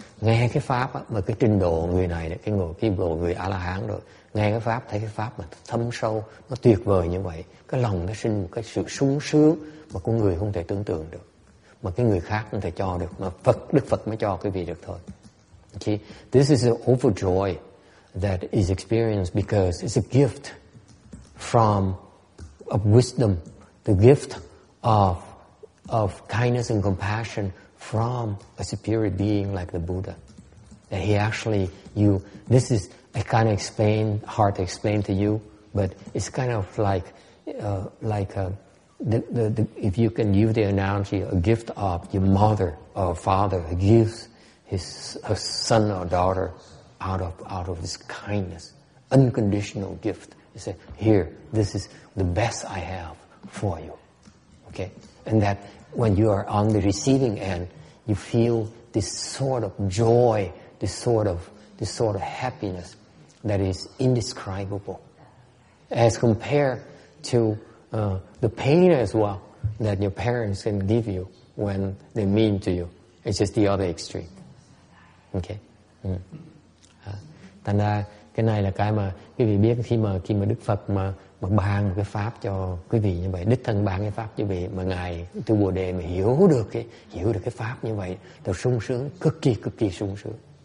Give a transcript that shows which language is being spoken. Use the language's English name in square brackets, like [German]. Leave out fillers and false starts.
[Vietnamese] Nghe cái pháp á, mà cái trình độ người này, cái người A La Hán rồi, nghe cái pháp, thấy cái pháp mà thâm sâu, nó tuyệt vời như vậy, cái lòng nó sinh một cái sự sung sướng mà con người không thể tưởng tượng được, mà cái người khác không thể cho được, mà Đức Phật mới cho quý vị được thôi. [English] Okay. This is an overjoy that is experienced because it's a gift from of wisdom, the gift of kindness and compassion from a superior being like the Buddha. That he actually, this is, I can't explain, hard to explain to you, but it's kind of like if you can use the analogy, a gift of your mother or father gives her son or daughter out of this kindness, unconditional gift. You say, here, this is the best I have for you. Okay? And that when you are on the receiving end, you feel this sort of joy, this sort of happiness that is indescribable, as compared to the pain as well that your parents can give you when they're mean to you. It's just the other extreme. Okay. Mm. [Vietnamese] Thành ra cái này là cái mà quý vị biết khi mà Đức Phật mà ban cái pháp cho quý vị như vậy, đích thân ban cái pháp cho quý vị, mà ngài tu Bồ Đề mà hiểu được cái pháp như vậy, thì sung sướng cực kỳ sung sướng.